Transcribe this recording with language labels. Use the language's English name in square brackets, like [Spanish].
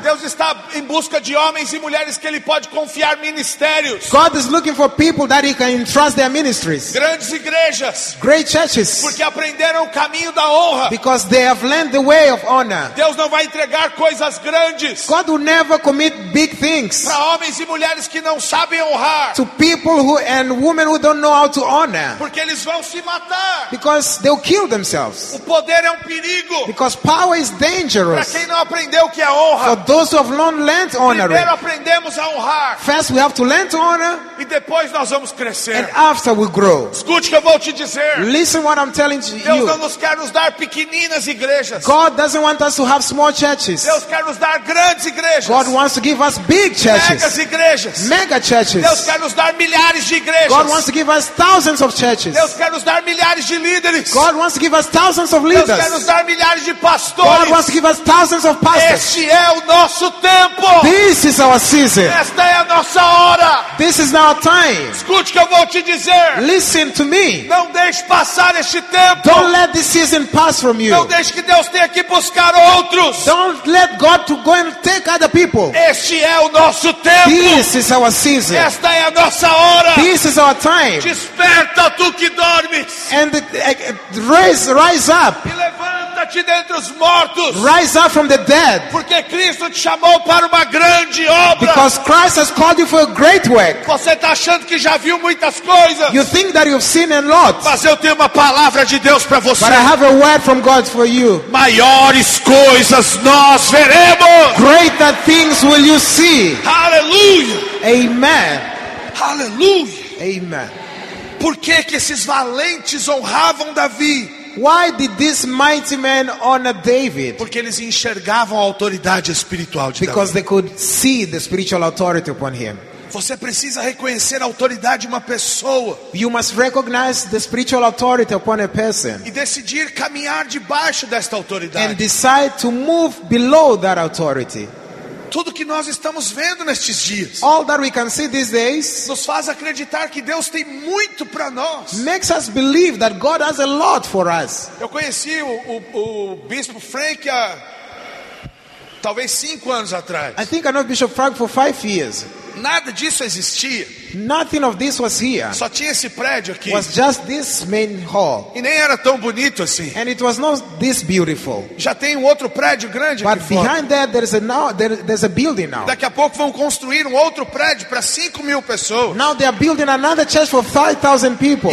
[Portuguese] Deus está em busca de homens e mulheres que ele pode confiar ministérios. [English] God is looking for people that he can entrust their ministries. [Portuguese] Grandes igrejas. [English] Great churches. [Portuguese] Porque aprenderam o caminho da honra. [English] Because they have learned the way of honor. [Portuguese] Deus não vai entregar coisas grandes. [English] God will never commit big things. [Portuguese] Para homens e mulheres que não sabem honrar. [English] To people who and women who don't know how to honor. [Portuguese] Porque eles vão se matar. [English] Because they'll kill themselves. [Portuguese] O poder é um perigo. [English] Because power is dangerous. [Portuguese] Para quem não aprendeu o que é honra. [English] For those who have not learned honor. [Portuguese] Primeiro aprendemos a honrar. [English] First we have to learn to honor. [Portuguese] E depois nós vamos crescer. [English] And after we grow. [Portuguese] Escute o que eu vou te dizer. [English] Listen what I'm telling to [Portuguese] Deus [English] you. [Portuguese] Deus não nos quer nos dar pequeninas igrejas. [English] God doesn't want us to have small churches. [Portuguese] Deus quer nos dar grandes igrejas. [English] God wants to give us big churches. [Portuguese] Megas igrejas. [English] Mega churches. [Portuguese] Deus quer nos dar milhares de igrejas. [English] God wants to give us thousands of churches. [Portuguese] Deus quer nos dar milhares de líderes. [English] God wants to give us thousands of leaders. [Portuguese] Deus quer nos dar milhares de pastores. [English] God wants to give us thousands of pastors. [Portuguese] Este é o nosso tempo. [English] This is our season. [Portuguese] Esta é a nossa hora. [English] This is our time. [Portuguese] Escute o que eu vou te dizer. [English] Listen to me. [Portuguese] Não deixe passar este tempo. [English] Don't let this season pass from you. [Portuguese] Não deixe que Deus tem que buscar outros. [English] Don't let God to go and take other people. [Portuguese] Este é o nosso tempo. [English] This is our season. [Portuguese] Esta é a nossa hora. [English] This is our time. [Portuguese] Desperta tu que dormes. [English] And rise up. [Portuguese] E levanta-te dentre os mortos. [English] Rise up from the dead. [Portuguese] Porque Cristo te chamou para uma grande obra. [English] Because Christ has called you for a great work. [Portuguese] Você está achando que já viu muitas coisas. [English] You think that you've seen a lot. [Portuguese] Mas eu tenho uma palavra de Deus para você. [English] But I have a word from God for you. [Portuguese] Maiores coisas nós veremos. [English] Greater things will you see. [Portuguese] Aleluia. [English] Amen. [Portuguese] Aleluia. [English] Amen. [Portuguese] Por que que esses valentes honravam Davi? [English] Why did this mighty man honor David? [Portuguese] Porque eles enxergavam a autoridade espiritual de [English] Because [Portuguese] Davi. [English] Because they could see the spiritual authority upon him. [Portuguese] Você precisa reconhecer a autoridade de uma pessoa. [English] You must recognize the spiritual authority upon a person. [Portuguese] E decidir caminhar debaixo desta autoridade. [English] And decide to move below that authority. [Portuguese] Tudo que nós estamos vendo nestes dias, [English] all that we can see these days, [Portuguese] nos faz acreditar que Deus tem muito para nós. [English] Makes us believe that God has a lot for us. [Portuguese] Eu conheci o Bispo Frank há talvez 5 anos atrás. [English] I think I know Bishop Frank for 5 years. [Portuguese] Nada disso existia. [English] Nothing of this was here. [Portuguese] Só tinha esse prédio aqui. [English] Was just this main hall. [Portuguese] E nem era tão bonito assim. [English] And it was not this beautiful. [Portuguese] Já tem um outro prédio grande. [English] But [Portuguese] aqui [English] behind [Portuguese] fora. [English] That there's a building now. [Portuguese] Daqui a pouco vão construir um outro prédio para 5,000 pessoas. [English] Now they are building another church for 5,000 people.